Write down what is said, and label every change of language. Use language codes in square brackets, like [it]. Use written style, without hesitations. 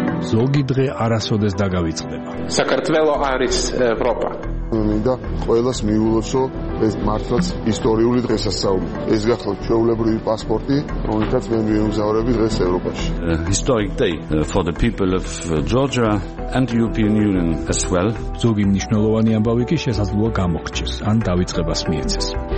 [ka] ზოგი დღე არასოდეს დაგავიწყდება. საქართველო არის ევროპა. მინდა ყოველას მიულოცო ეს მართლაც ისტორიული დღესასწაული. ეს გახლავთ ჩვეულებრივი პასპორტი, რომელსაც მე მიემგზავრები დღეს ევროპაში. [en] Historic day for the people of Georgia and the European Union as well. [ka] ზოგი მნიშვნელოვანი ამბავი კი შესაძლოა გამოგჩეს ან დავიწყებას მიეცეს.